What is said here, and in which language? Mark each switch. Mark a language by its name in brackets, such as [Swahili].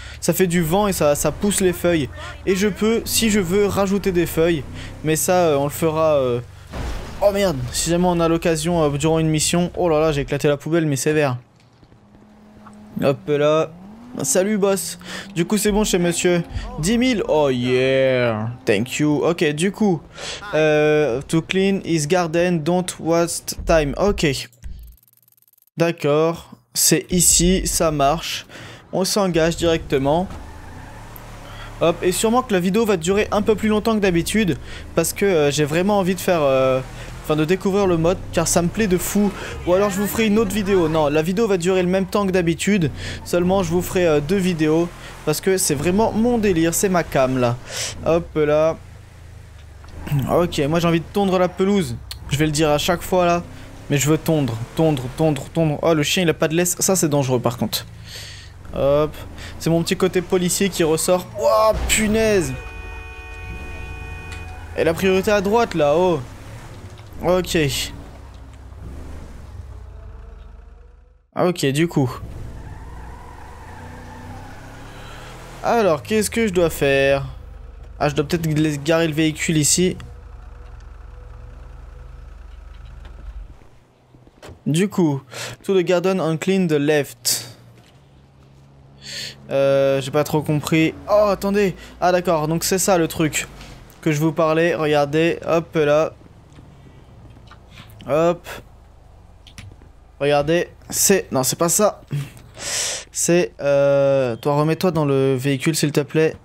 [French] Ça fait du vent et ça pousse les feuilles. Et je peux, si je veux, rajouter des feuilles. Mais ça, on le fera... Oh merde, si jamais on a l'occasion durant une mission. Oh là là, j'ai éclaté la poubelle, mais sévère. Hop là. Salut boss. Du coup c'est bon chez monsieur. [English] 10 000. Oh yeah. Thank you. Ok, [French] du coup [English] to clean his garden, don't waste time. [French] Ok. D'accord. C'est ici, ça marche. On s'engage directement. Hop, et sûrement que la vidéo va durer un peu plus longtemps que d'habitude. Parce que j'ai vraiment envie de faire... Enfin, de découvrir le mode, car ça me plaît de fou. Ou alors je vous ferai une autre vidéo. Non, la vidéo va durer le même temps que d'habitude. Seulement, je vous ferai 2 vidéos. Parce que c'est vraiment mon délire, c'est ma cam, là. Hop, là. Ok, moi j'ai envie de tondre la pelouse. Je vais le dire à chaque fois, là. Mais je veux tondre, tondre, tondre, tondre. Oh, le chien, il a pas de laisse. Ça, c'est dangereux, par contre. Hop. C'est mon petit côté policier qui ressort. Oh, punaise. Et la priorité à droite, là, oh. Ok. Ok, du coup. Alors, qu'est-ce que je dois faire? Ah, je dois peut-être laisser garer le véhicule ici. Du coup, [English] to the garden and clean the left. [French] J'ai pas trop compris. Oh, attendez. Ah, d'accord, donc c'est ça le truc que je vous parlais. Regardez, hop là. Hop. Regardez. C'est... Non, c'est pas ça. C'est toi, remets-toi dans le véhicule s'il te plaît.